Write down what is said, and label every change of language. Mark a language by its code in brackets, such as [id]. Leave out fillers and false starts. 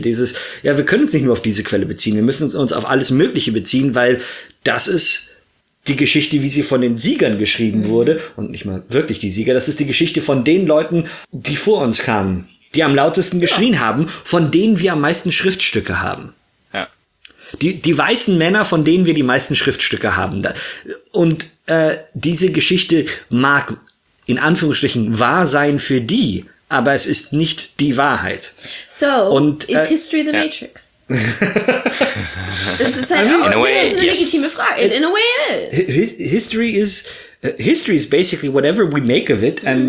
[de] Dieses, ja, wir können uns nicht nur auf diese Quelle beziehen, wir müssen uns auf alles Mögliche beziehen, weil das ist die Geschichte, wie sie von den Siegern geschrieben wurde und nicht mal wirklich die Sieger, das ist die Geschichte von den Leuten, die vor uns kamen, die am lautesten geschrien haben, von denen wir am meisten Schriftstücke haben. Die weißen Männer, von denen wir die meisten Schriftstücke haben. Und diese Geschichte mag in Anführungsstrichen wahr sein für die, aber es ist nicht die Wahrheit. [en] So, und, is history the Matrix? [de] Das ist halt auch eine legitime Frage. [en] In a way it is. History is basically whatever we make of it.